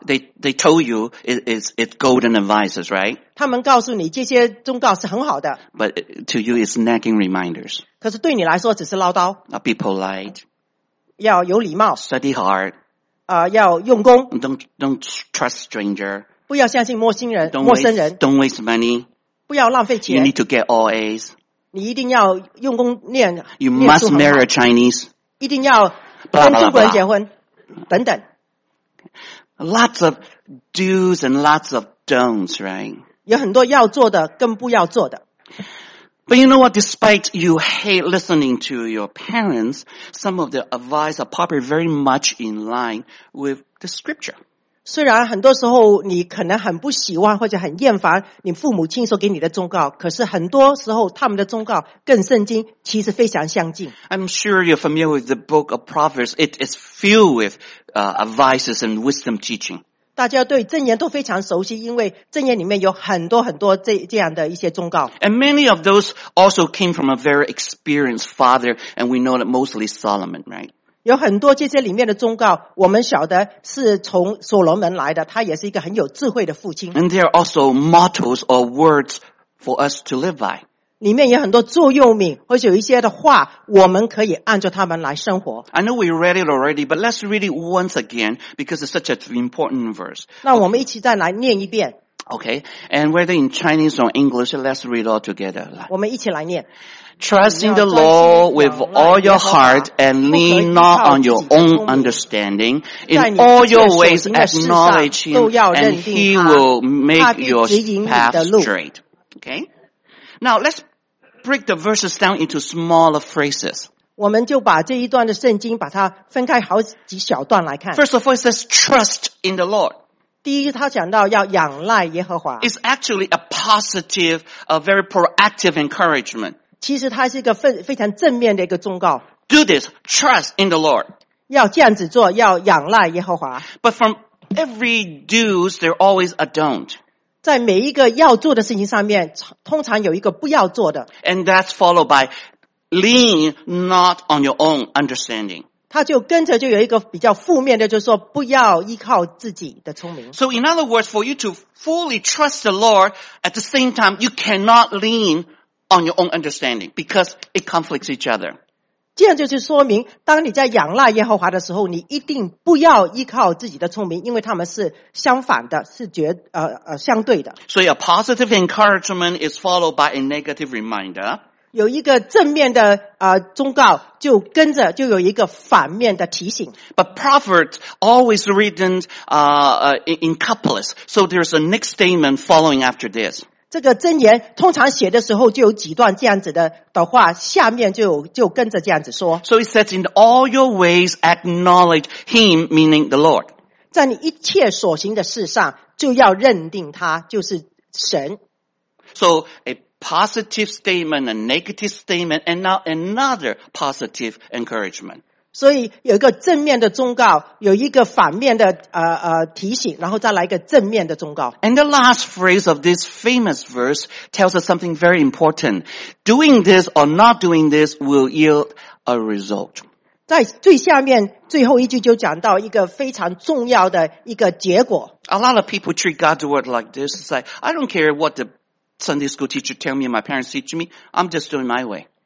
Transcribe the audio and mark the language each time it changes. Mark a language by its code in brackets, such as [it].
[en] They told you it's golden advices, right? [zh] 他们告诉你这些忠告是很好的。 [en] But to you it's nagging reminders. [zh] 可是对你来说只是唠叨。 [en] Now be polite. [zh] 要有礼貌。 [en] Study hard. [zh] 要用功。 [en] Don't trust stranger. [zh] 不要相信陌生人。 [en] Don't waste money. [zh] 不要浪费钱。 [en] You need to get all A's. [zh] 你一定要用功念 [en] You must marry a Chinese. [zh] 一定要跟中国人结婚 [en] blah, blah, blah. [zh] 等等。 [en] Lots of do's and lots of don'ts, right? [zh] 有很多要做的跟不要做的。 [en] But you know what, despite you hate listening to your parents, some of the advice are probably very much in line with the scripture. [zh] 虽然很多时候你可能很不喜欢或者很厌烦你父母亲所给你的忠告，可是很多时候他们的忠告跟圣经其实非常相近。 [en] I'm sure you're familiar with the book of Proverbs. It is filled with advices and wisdom teaching. [zh] 大家对箴言都非常熟悉，因为箴言里面有很多很多这样的一些忠告。 [en] And many of those also came from a very experienced father, and we know that mostly Solomon, right? [zh] 有很多这些里面的忠告我们晓得是从所罗门来的，他也是一个很有智慧的父亲。 [en] And there are also mottos or words for us to live by. [zh] 里面有很多座右铭或者有一些的话我们可以按照他们来生活。 [en] I know we read it already, but let's read it once again because it's such an important verse. [zh] 那我们一起再来念一遍。 [en] Okay, and whether in Chinese or English, let's read all together. [zh] 我们一起来念。 [en] Trust in the Lord with all your heart and lean not on your own understanding. In all your ways acknowledge Him and He will make your path straight. Okay? Now let's break the verses down into smaller phrases. [zh] 我们就把这一段的圣经把它分开好几小段来看。 [en] First of all, it says trust in the Lord. [zh] 第一他讲到要仰赖耶和华。 [en] It's actually a positive, a very proactive encouragement. [zh] 其实它是一个非常正面的一个忠告。 [en] Do this, trust in the Lord. [zh] 要这样子做要仰赖耶和华。 [en] But from every do's, there's always a don't. [zh] 在每一个要做的事情上面通常有一个不要做的。 [en] And that's followed by lean not on your own understanding. [zh] 他就跟着就有一个比较负面的，就是说不要依靠自己的聪明。 [en] So in other words, for you to fully trust the Lord, at the same time, you cannot lean on your own understanding because it conflicts each other. [zh] 这样就是说明，当你在仰赖耶和华的时候，你一定不要依靠自己的聪明，因为他们是相反的，是相对的。所以 [en] a positive encouragement is followed by a negative reminder. [zh] 有一个正面的忠告就跟着就有一个反面的提醒。 [en] But prophets always written in couplets, so there's a next statement following after this. [zh] 这个箴言通常写的时候就有几段这样子的话下面就跟着这样子说。 [en] So it says, in all your ways acknowledge him, meaning the Lord. [zh] 在你一切所行的事上就要认定他就是神。 [en] So, positive statement, a negative statement, and now another positive encouragement. [zh] 所以有一个正面的忠告，有一个反面的提醒，然后再来一个正面的忠告。 [en] And the last phrase of this famous verse tells us something very important. Doing this or not doing this will yield a result. [zh] 在最下面最后一句就讲到一个非常重要的一个结果。 [en] A lot of people treat God's word like this. It's like, I don't care what theSunday school teacher tell me, my parents teach me, I'm just doing my way.